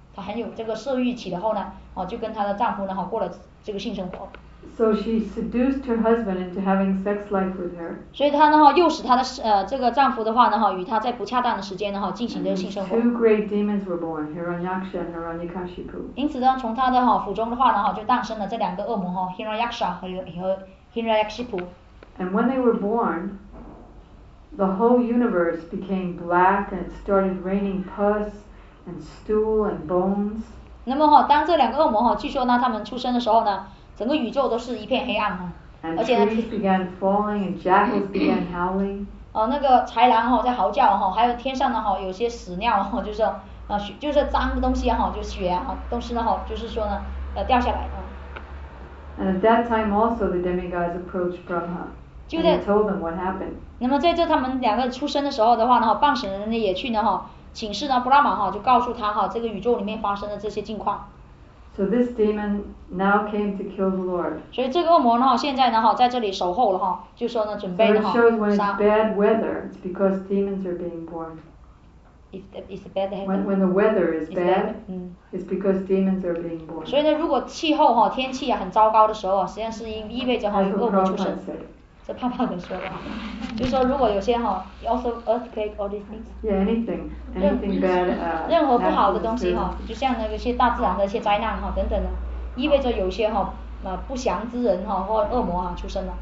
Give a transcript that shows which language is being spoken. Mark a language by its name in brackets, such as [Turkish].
[Chinese] 她很有这个色欲起的后呢，哦，就跟她的丈夫呢，哈，过了这个性生活。 [English] So she seduced her husband into having sex life with her. [Chinese] 所以她呢，哈，诱使她的这个丈夫的话呢，哈，与她在不恰当的时间呢，哈，进行这个性生活。 [English] And two great demons were born, Hiranyaksha and Hiranyakashipu. [Chinese] 因此呢，从她的哈腹中的话呢，哈，就诞生了这两个恶魔哈 ，Hiranyaksha 和 Hiranyakashipu. [English] And when they were born, the whole universe became black and started raining pus. And stool and bones. [Chinese] 那么哈，当这两个恶魔哈，据说呢，他们出生的时候呢，整个宇宙都是一片黑暗哈，而且呢。 [English] And trees began falling, and jackals began howling. [Chinese] 哦，那个豺狼哈在嚎叫哈，还有天上的哈有些屎尿哈，就是就是脏的东西哈，就血啊，都是呢哈，就是说呢，掉下来啊。 [English] And at that time, also the demigods approached Brahma. And he told them what happened. [Chinese] 那么在这他们两个出生的时候的话呢，半神人也去呢哈。请示呢，布拉玛哈就告诉他哈，这个宇宙里面发生的这些境况。 [English] So this demon now came to kill the Lord. [Chinese] 所以这个恶魔呢，现在呢哈，在这里守候了哈，就说呢，准备呢哈。 [English] So it shows when it's bad weather, it's because demons are being born. If it's bad weather. When the weather is bad, it's because demons are being born. [Chinese] 所以呢，如果气候哈天气啊很糟糕的时候，实际上是意味着哈有恶魔出生。这胖胖的说的，就是说如果有些哈 ， [English] also earthquake all these things。 Yeah, anything bad. [Chinese] 任何不好的东西哈，就像那个些大自然的一些灾难哈等等的，意味着有些哈不祥之人哈或恶魔哈出生了。